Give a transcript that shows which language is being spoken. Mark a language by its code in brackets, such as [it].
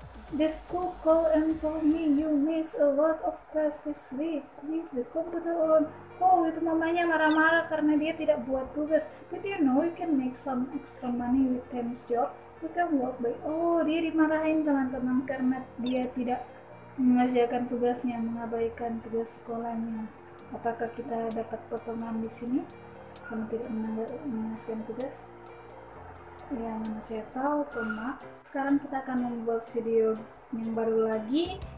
[en] The school called and told me you miss a lot of class this week. Leave the computer on. [id] Oh, itu mamanya marah-marah karena dia tidak buat tugas. [en] But you know you can make some extra money with Tammy's job. You can work by... [id] Oh, dia dimarahin teman-teman karena dia tidak mengerjakan tugasnya, mengabaikan tugas sekolahnya. Apakah kita dapat potongan di sini? Karena tidak mengerjakan tugas. Ya, mana saya tahu, teman. Sekarang kita akan membuat video yang baru lagi.